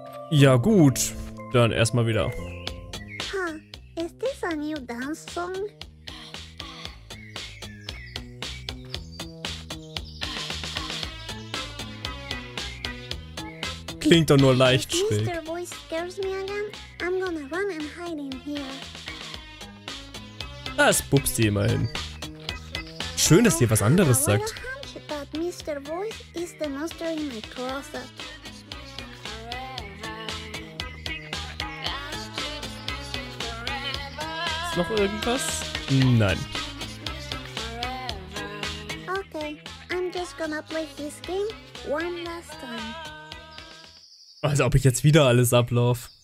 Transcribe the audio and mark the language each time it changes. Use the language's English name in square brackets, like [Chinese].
[German] Ja gut, dann erstmal wieder. [English] Huh, is this a new dance song? [German] Klingt doch nur leicht schräg. [English] If Mr. Voice scares me again, I'm gonna run and hide in here. [German] Da ist Bubsi immerhin. Schön, dass ihr was anderes sagt. [English] Mr. Voice is the monster in my closet. [German] Ist noch irgendwas? Nein. [English] Okay, I'm just gonna play this game one last time. [German] Als ob ich jetzt wieder alles ablauf.